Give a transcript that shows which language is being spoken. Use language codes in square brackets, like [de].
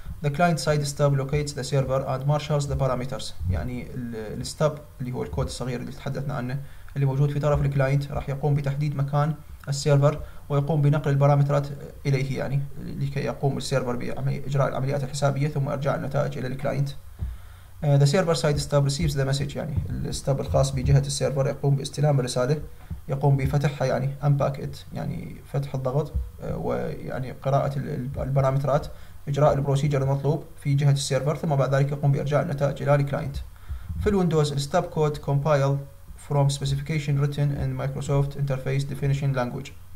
[en] The client side stub locates the server and marshals the parameters. [ar] يعني الستب اللي هو الكود الصغير اللي تحدثنا عنه اللي موجود في طرف الكلاينت راح يقوم بتحديد مكان السيرفر ويقوم بنقل البارامترات اليه، يعني لكي يقوم السيرفر باجراء العمليات الحسابيه ثم ارجاع النتائج الى الكلاينت. [en] The server side stub receives the message. [ar] يعني الستب الخاص بجهه السيرفر يقوم باستلام الرساله، يقوم بفتحها يعني [en] unpack it، [ar] يعني فتح الضغط ويعني قراءه البارامترات، إجراء البروسيجر المطلوب في جهة السيرفر، ثم بعد ذلك يقوم بإرجاع النتائج إلى الكلاينت. [en] في الويندوز الستب code compile from specification written in Microsoft interface definition language.